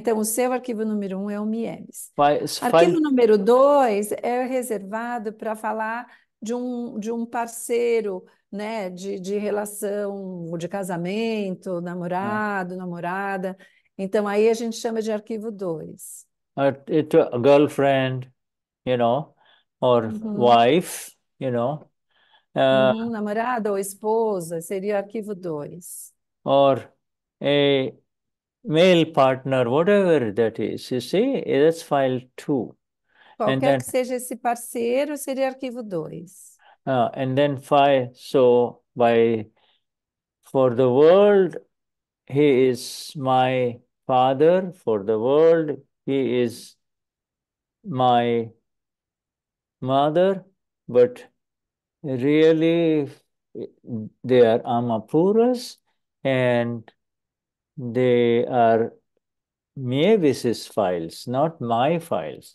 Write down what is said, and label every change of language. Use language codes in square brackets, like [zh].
[pt] Então, o seu arquivo número um é o Mieves. Arquivo número dois é reservado para falar de um parceiro, né? De relação, de casamento, namorado, namorada. Então, aí a gente chama de arquivo dois. [en] It's a girlfriend, you know, or wife, you know. [pt] Namorada ou esposa seria arquivo dois. [en] Or a male partner, whatever that is, you see, that's file two. [pt] Qualquer que seja esse parceiro, seria arquivo dois. [en] And then five, so by, for the world, he is my father. For the world, he is my mother. But really, they are Amapuras, and they are Mavis's files, not my files.